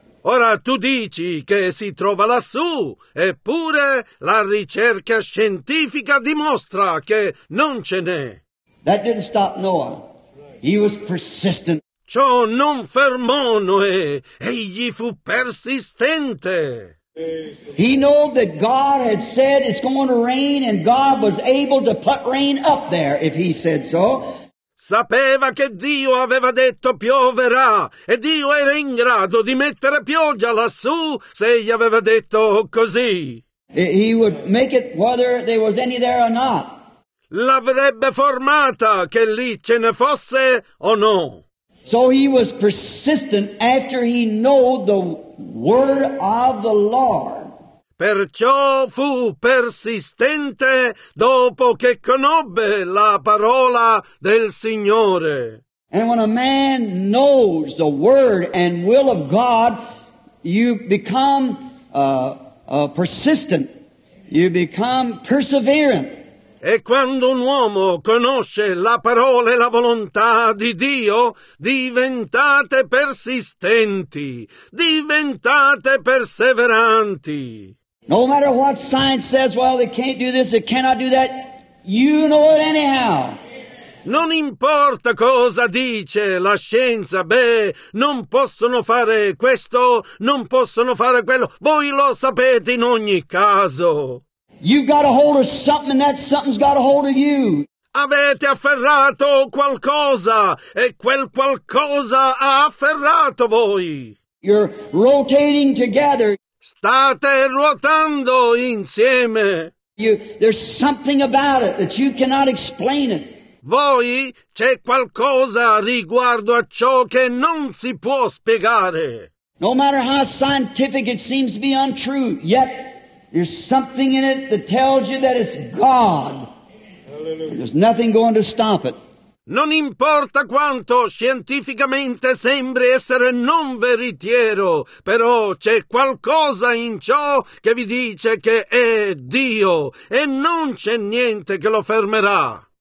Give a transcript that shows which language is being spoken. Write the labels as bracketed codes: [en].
[it] Ora tu dici che si trova lassù, eppure la ricerca scientifica dimostra che non ce n'è. [en] That didn't stop Noah. He was persistent. [it] Ciò non fermò Noè, egli fu persistente. [en] He knew that God had said it's going to rain, and God was able to put rain up there if he said so. [it] Sapeva che Dio aveva detto pioverà, e Dio era in grado di mettere pioggia lassù se gli aveva detto così. [en] He would make it whether there was any there or not. [it] L'avrebbe formata che lì ce ne fosse o no. [en] So he was persistent after he knew the word of the Lord. [it] Perciò fu persistente dopo che conobbe la parola del Signore. [en] And when a man knows the word and will of God, you become persistent. You become perseverant. [it] E quando un uomo conosce la parola e la volontà di Dio, diventate persistenti. Diventate perseveranti. [en] No matter what science says, well, they can't do this, they cannot do that, you know it anyhow. [it] Non importa cosa dice la scienza, beh, non possono fare questo, non possono fare quello, voi lo sapete in ogni caso. [en] You've got a hold of something, and that something's got a hold of you. [it] Avete afferrato qualcosa, e quel qualcosa ha afferrato voi. [en] You're rotating together. [it] State ruotando insieme. [en] There's something about it that you cannot explain it. [it] Voi, c'è qualcosa riguardo a ciò che non si può spiegare. [en] No matter how scientific it seems to be untrue, yet there's something in it that tells you that it's God. There's nothing going to stop it. [it] Non importa quanto scientificamente sembri essere non veritiero, però c'è qualcosa in ciò che vi dice che è Dio, e non c'è niente che lo fermerà.